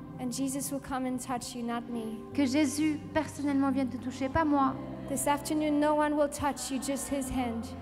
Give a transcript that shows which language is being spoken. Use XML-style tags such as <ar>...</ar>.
<en>And Jesus will come and touch you, not me.</en> <fr>Que Jésus personnellement vienne te toucher, pas moi.</fr> <en>This afternoon no one will touch you, just his hand.</en>